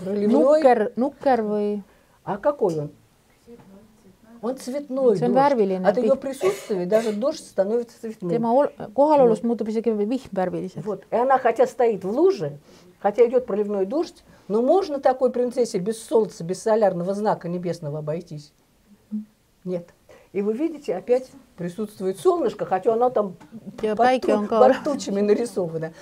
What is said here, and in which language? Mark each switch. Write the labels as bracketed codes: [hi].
[ru] Нукер, нукер või... А какой он? Он цветной. [et] See on värviline. [ru] От ее присутствия даже дождь становится цветным. [et] Tema kohalolus muutub isegi vihm värviliseks. [ru] Вот. И она, хотя стоит в луже, хотя идет проливной дождь, но можно такой принцессе без солнца, без солярного знака небесного обойтись? Нет. И вы видите, опять присутствует солнышко, хотя оно там под тучами нарисовано.